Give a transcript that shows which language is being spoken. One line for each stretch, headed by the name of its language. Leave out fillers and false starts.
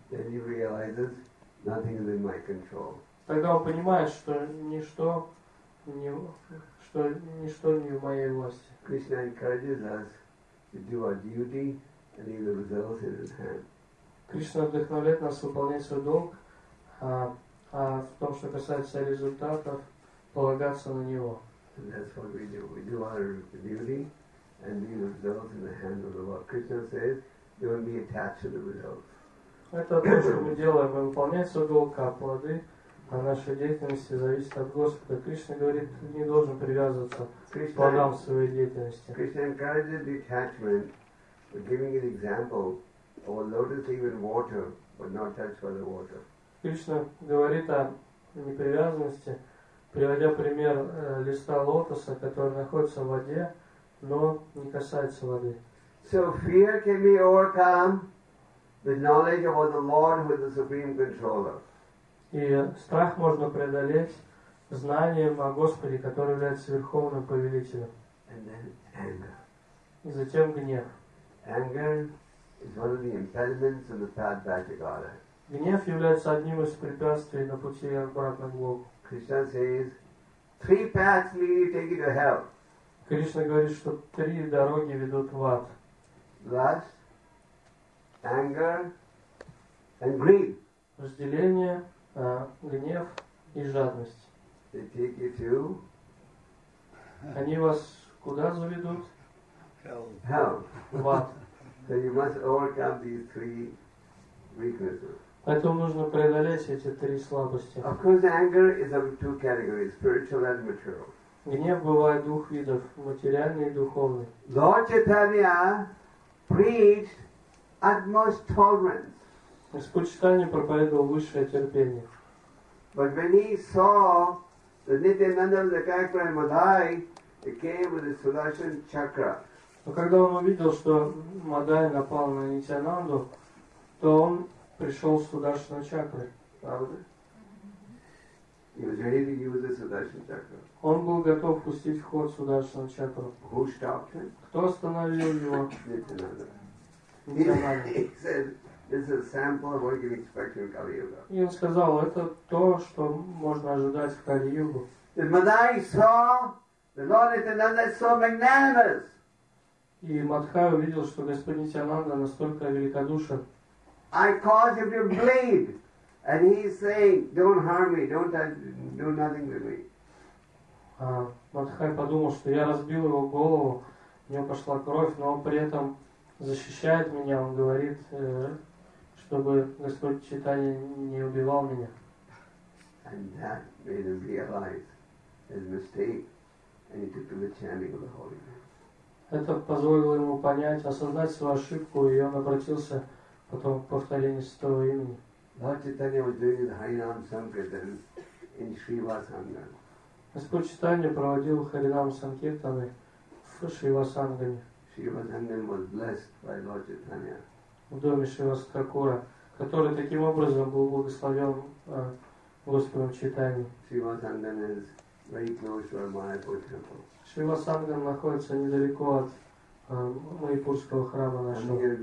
English: Then he realizes nothing is in my control.
Russian: Тогда он понимает, что ничто не в моей власти.
English: Krishna encourages us to do our duty and leave the results in his hand.
Russian: Кришна вдохновляет нас выполнять свой долг, а в том, что касается результатов, полагаться на него.
English: And that's what we do. We do our duty and leave the results in the hand of the Lord. Krishna says, don't be attached to the results.
Russian: Это то, что мы делаем, мы выполняем свой долг, а плоды о нашей деятельности зависит от Господа. Кришна говорит, ты не должен привязываться к плодам своей деятельности.
English: Krishna encourages detachment by giving an example of a lotus leaf in water, but not touched by the water.
Russian: Кришна говорит о непривязанности, приводя пример листа лотоса, который находится в воде, но не касается воды.
English: So fear can be overcome with knowledge of the Lord who is the supreme controller.
Russian: И страх можно преодолеть знанием о Господе, который является Верховным Повелителем.
English: And then anger.
Russian: И затем гнев.
English: Anger is one of the impediments of the path back to Godhead.
Russian: Гнев является одним из препятствий на пути обратно к Богу.
English: Krishna says, three paths lead you take you to hell.
Russian: Кришна говорит, что три дороги ведут в ад.
English: Lust, anger, and greed.
Russian: Разделение, гнев и жадность.
English: They take you to...
Russian: Они вас куда заведут?
English: Hell.
Russian: В ад.
English: So you must overcome these three weaknesses.
Russian: Поэтому нужно преодолеть эти три слабости.
English: Of course, anger is of two categories, spiritual and material.
Russian: Гнев бывает двух видов, материальный и духовный.
English: Lord Chaitanya preached utmost tolerance.
Russian: Господь Читания проповедовал высшее терпение.
English: But when he saw So Nityananda was a character in Madhai. He came with his Sudarshan Chakra.
Russian: Но когда он увидел, что Мадай напал на Нитянанду, то он пришел с Сударшина чакры. Правда?
English: He was ready to use the Sudarshan Chakra.
Russian: Он был готов пустить в ход Сударшина чакру.
English: Who stopped him?
Russian: Кто остановил его?
English: Nityananda. He said, "This is a sample of what you expect in Kali Yuga."
Russian: И он сказал, это то, что можно ожидать в Кали Югу.
English: Мадай saw the Lord Nityananda so magnanimous.
Russian: И Мадхай увидел, что Господь Нитянанда настолько великодушен.
English: I cause you to bleed. And he is saying, don't harm me, don't do nothing to me.
Russian: Мадхай подумал, что я разбил его голову, у него пошла кровь, но он при этом защищает меня, он говорит, чтобы Господь Читания не убивал меня.
English: And that made him realize his mistake and he took to the chanting of the Holy Name.
Russian: Это позволило ему понять, осознать свою ошибку, и он обратился потом к повторению святого имени.
English: Lord Chaitanya was doing his Harinam Sankirtan in Shrivasangam.
Russian: Господь Читания проводил Харинам Санкиртаны в Шривасангаме.
English: Шривасангам was blessed by Lord Chaitanya.
Russian: В доме Шривасакура, который таким образом был благословен Господом Читания.
English: Шривасангам is very close to our Mayapur temple.
Russian: Шривасангам находится недалеко от Майпурского храма нашего.